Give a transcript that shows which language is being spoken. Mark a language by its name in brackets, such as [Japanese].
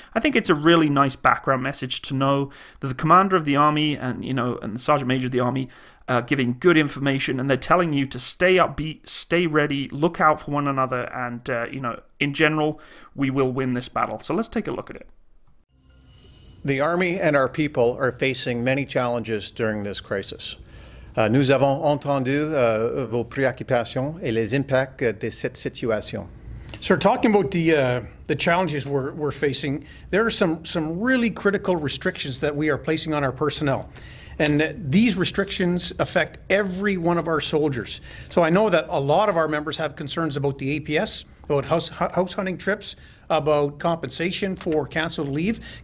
[English] I think it's a really nice background message to know that the commander of the Army and, you know, and the Sergeant Major of the Army are giving good information, and they're telling you to stay upbeat, stay ready, look out for one another, and, you know, in general, we will win this battle. So let's take a look at it. The Army and our people are facing many challenges during this crisis. [French] Nous avons entendu vos préoccupations et les impacts de cette situation. [English] Sir, talking about the challenges we're facing, there are some really critical restrictions that we are placing on our personnel. And these restrictions affect every one of our soldiers. So I know that a lot of our members have concerns about the APS, about house hunting trips, about compensation for canceled leave.